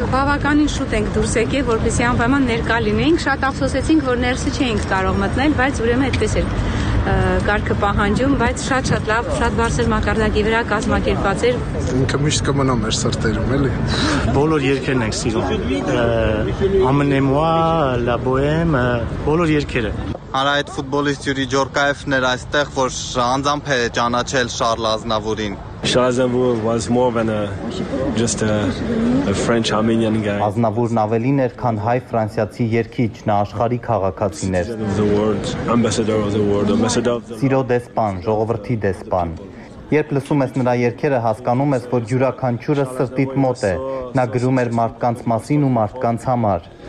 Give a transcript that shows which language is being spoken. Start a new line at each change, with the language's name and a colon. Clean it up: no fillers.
Armenian: Բավականին շուտ ենք դուրս եկել, որպեսզի անպայման ներկա լինեինք, շատ ափսոսեցինք, որ ներսը չէինք կարող մտնել, բայց ուրեմն այդպես էր կարգը պահանջում, բայց շատ-շատ լավ, շատ բարձր մակարդակի վրա կազմակերպված էր։ Ինքը միշտ կմնա մեր սրտերում, էլի։ Բոլոր երգերն ենք սիրում։ Amenez-moi la bohème, բոլոր երգերը։ Արա այդ ֆուտբոլիստ Յուրի Ջորկաևն էր այստեղ, որ անձամբ է ճանաչել Շարլ Ազնավուրին։
English: Charles Aznavour was more than a French Armenian guy.
Armenian: Aznavour-ն ավելին էր, քան հայ ֆրանսիացի երկիչ, նա աշխարհի քաղաքացին էր։
English: Ambassador of the world, ambassador of the
Armenian: Ciro Despan, ժողովրդի դեսպան։ Երբ լսում ես նրա երգերը, հասկանում ես, որ յուրաքանչյուրը սրտիդ մոտ է։ Նա գրում էր մարդկանց մասին ու մարդկանց համար։